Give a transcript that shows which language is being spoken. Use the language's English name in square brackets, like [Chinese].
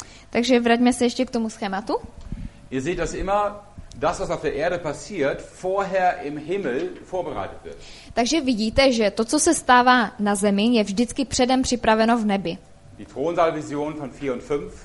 [Czech] Takže vraťme se ještě k tomu schématu. [German] Ihr seht, dass immer das, was auf der Erde passiert, vorher im Himmel vorbereitet wird. [Czech] Takže vidíte, že to, co se stává na zemi, je vždycky předem připraveno v nebi. [German] Die Thronsaalvision von 4 und 5.